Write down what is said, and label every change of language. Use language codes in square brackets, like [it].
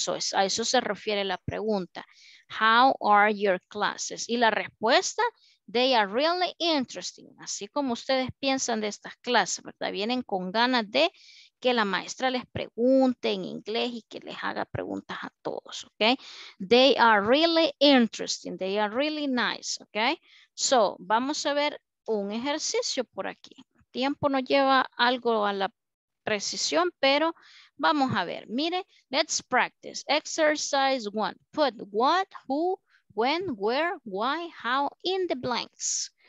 [es] So, a eso se refiere la pregunta. [en] How are your classes? [es] Y la respuesta, [en] they are really interesting. [es] Así como ustedes piensan de estas clases, ¿verdad? Vienen con ganas de que la maestra les pregunte en inglés y que les haga preguntas a todos, ¿ok? [en] They are really interesting, they are really nice, ¿ok? [es] So, vamos a ver un ejercicio por aquí. El tiempo nos lleva algo a la precisión, pero vamos a ver. [en] Mire, let's practice. Exercise one. Put what, who, when, where, why, how in the blanks.